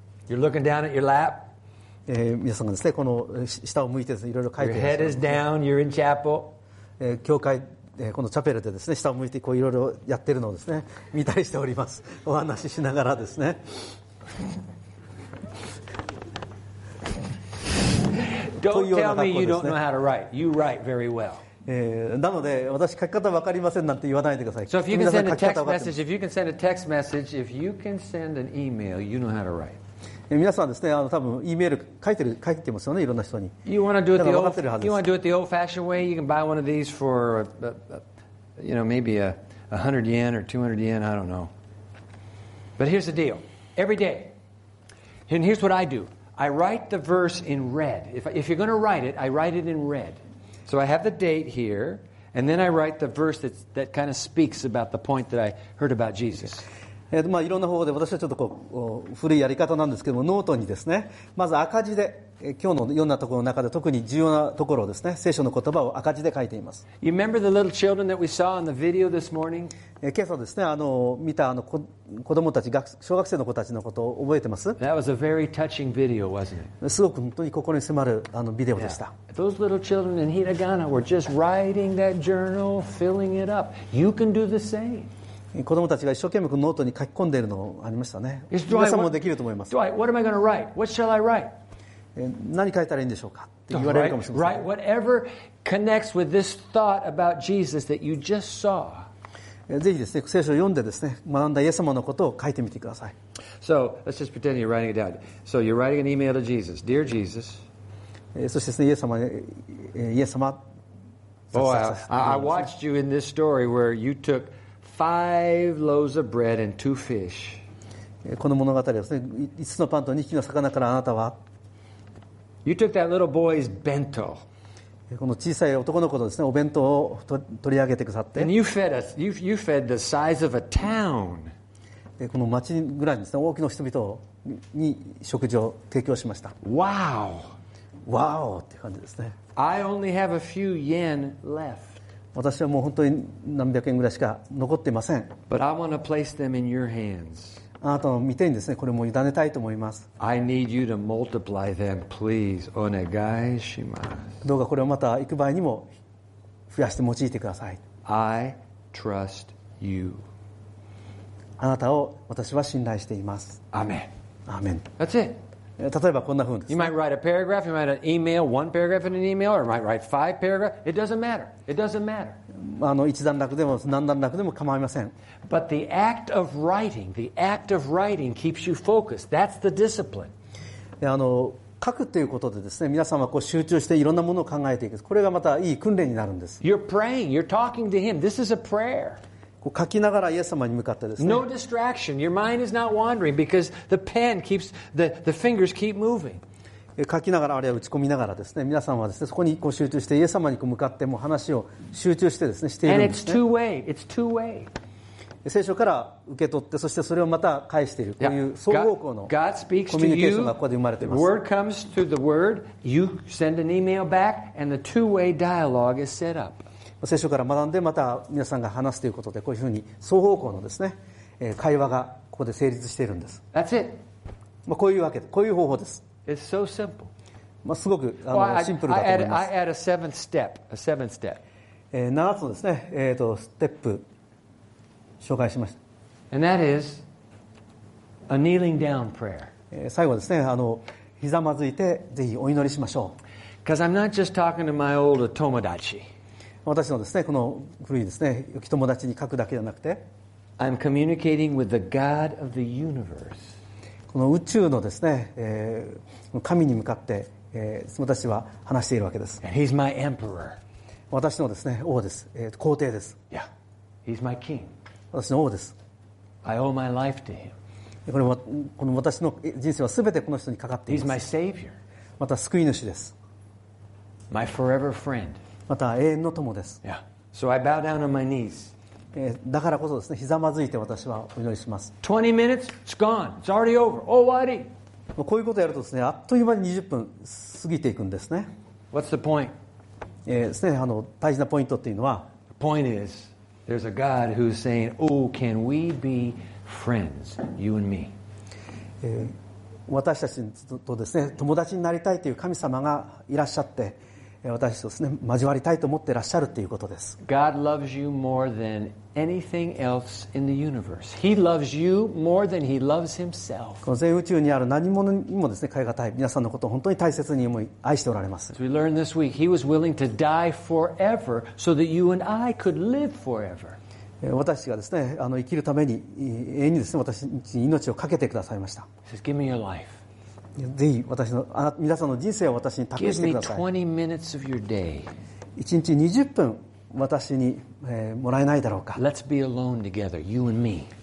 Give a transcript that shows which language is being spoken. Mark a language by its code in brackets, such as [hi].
[en] You're looking down at your lap. [ja] 皆さんがですね、この下を向いてですね、いろいろ書いてる。 [en] Your head is down. You're in chapel. [ja] 教会このチャペルでですね、下を向いてこういろいろやってるのをですね、見たりしております。お話ししながらですね。 [en] Don't tell me you don't know how to write. You write very well. [ja] なので私書き方わかりませんなんて言わないでください。 [en] So if you can send a text message, if you can send a text message, if you can send an email, you know how to write. [ja] 皆さんはですね、多分 E メール書いてますよね、いろんな人に。 [en] You want to do it the old-fashioned way? You can buy one of these for, you know, maybe $100 yen or $200 yen. I don't know. But here's the deal. Every day, and here's what I do. I write the verse in red. If you're going to write it, I write it in red. So I have the date here, and then I write the verse that kind of speaks about the point that I heard about Jesus. [ja] まあ、いろんな方法で私はちょっとこう古いやり方なんですけども、ノートにですね、まず赤字で今日のいろんなところの中で特に重要なところをですね、聖書の言葉を赤字で書いています。 [en] You remember the little children that we saw in the video this morning? [ja] 今朝ですね、見た子供たち、小学生の子たちのことを覚えてます？ [en] That was a very touching video, wasn't it? [ja] すごく本当に心に迫るビデオでした。 [en] Yeah. Those little children in Hiragana were just writing that journal, filling it up. You can do the same. [ja] 子供たちが一生懸命ノートに書き込んでいるのありましたね。皆さんもできると思います。 [en] Dwight, what am I going to write? What shall I write? [ja] 何書いたらいいんでしょうかって言われるかもしれません。 [en] Write whatever connects with this thought about Jesus that you just saw. [ja] ぜひですね、聖書を読んでですね、学んだイエス様のことを書いてみてください。 [en] So let's just pretend you're writing it down. So you're writing an email to Jesus. Dear Jesus. [ja] そしてですね、イエス様 [en] Oh, I watched you in this story where you took5 loaves of bread and 2 fish. [ja] この物語ですね、5つのパンと2匹の魚からあなたは。 [en] You took that little boy's bento. [ja] この小さい男の子のですね、お弁当を取り上げてくださって。 [en] And you fed the size of a town. [ja] この町ぐらいですね、大きな人々に食事を提供しました。 [en] Wow! [ja] Wow! って感じですね。 [en] I only have a few yen left. [ja] 私はもう本当に何百円ぐらいしか残っていません。 [en] But I want to place them in your hands. [ja] あなたの御手にですね、これも委ねたいと思います。 [en] I need you to multiply them, please. [ja] お願いします。どうかこれをまた幾倍にも増やして用いてください。 [en] I trust you. [ja] あなたを私は信頼しています。 [en] Amen. Amen. That's it. [ja] 例えばこんな風にですね。 [en] You might write a paragraph, you might write an email, one paragraph in an email, or you might write five paragraphs. It doesn't matter. It doesn't matter. [ja] 一段落でも何段落でも構いません。 [en] But the act of writing keeps you focused. That's the discipline. [ja] 書くということでですね、皆さんはこう集中していろんなものを考えていく。これがまたいい訓練になるんです。 [en] You're praying. You're talking to him. This is a prayer. [ja] 書きながらイエス様に向かってですね。 [en] No distraction. Your mind is not wandering because the pen keeps the fingers keep moving. [ja] 書きながらあるいは打ち込みながらですね、皆さんはですね、そこにこう集中してイエス様にこう向かってもう話を集中してですね、しているんですね。 [en] And it's two way. It's two way. [ja] 聖書から受け取って、そしてそれをまた返しているという双方向のコミュニケーションがここで生まれています。 [en] The word comes to the word. You send an email back, and the two-way dialogue is set up. [ja] 聖書から学んでまた皆さんが話すということで、こういうふうに双方向のですね、会話がここで成立しているんです。 [en] That's it. [ja] まあこういうわけで、こういう方法です。 [en] It's so simple. [ja] まあすごくシンプルだと思います。 [en] I add a seventh step. A seventh step. [ja] 七つのですね、ステップ紹介しました。 [en] And that is a kneeling down prayer. [ja] 最後ですね、ひざまずいてぜひお祈りしましょう。 [en] Because I'm not just talking to my old [ja] 友達。私のですね、この古いですね、良き友達に書くだけじゃなくて、 [en] I'm communicating with the God of the universe. [ja] この宇宙のですね、神に向かって、私は話しているわけです。 [en] And he's my emperor. [ja] 私のですね、王です。皇帝です。 [en] Yeah. He's my king. [ja] 私の王です。 [en] I owe my life to him. [ja] この私の人生は全てこの人にかかっています。 [en] He's my savior. [ja] また救い主です。 [en] My forever friend. [ja] また永遠の友です。 [en] Yeah. So I bow down on my knees. [ja] だからこそですね、ひざまずいて私はお祈りします。 [en] 20 minutes, it's gone. It's already over. Oh, what? [ja] こういうことをやるとですね、あっという間に20分過ぎていくんですね。 [en] What's the point? [ja] ですね、大事なポイントっていうのは、 [en] The point is, there's a God who's saying, oh, can we be friends, you and me? [ja] 私たちとですね、友達になりたいという神様がいらっしゃって、私たちとですね、交わりたいと思っていらっしゃるということです。 [en] God loves you more than anything else in the universe. He loves you more than he loves himself. [ja] この全宇宙にある何者にもですね、代えがたい皆さんのことを本当に大切に思い愛しておられます。 [en] As we learned this week, he was willing to die forever so that you and I could live forever. [ja] 私がですね、生きるために永遠にですね、私に命をかけてくださいました。 [en] He says, "Give me your life." [ja] ぜひ私の皆さんの人生を私に託してください。 [en] 20 minutes of your day. [ja] 1日20分私に、もらえないだろうか。 [en] Let's be alone together, you and me.